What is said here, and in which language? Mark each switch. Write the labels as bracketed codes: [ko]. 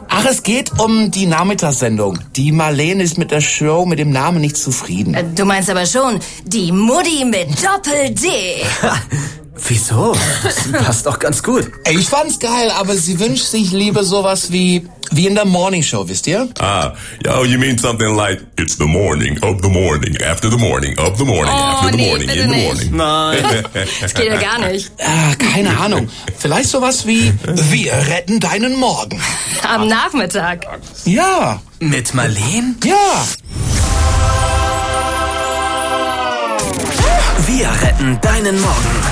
[de] Ach, es geht um die Nachmittagssendung. Die Marlene ist mit der Show mit dem Namen nicht zufrieden. Du meinst aber schon, die Mutti mit Doppel-D. Wieso? Das passt doch ganz gut. Ey, ich fand's geil, aber sie wünscht sich lieber sowas wie in der Morning Show, wisst ihr? [en] Ah, yeah, you mean something like it's the morning of the morning after the morning of the morning oh, after the morning [de] nee, in [en] the [de] nicht. Morning. Nein. Das geht ja gar nicht. Keine Ahnung. Vielleicht sowas wie wir retten deinen Morgen. Am Nachmittag. Ja. Mit Marlene? Ja. Wir retten deinen Morgen.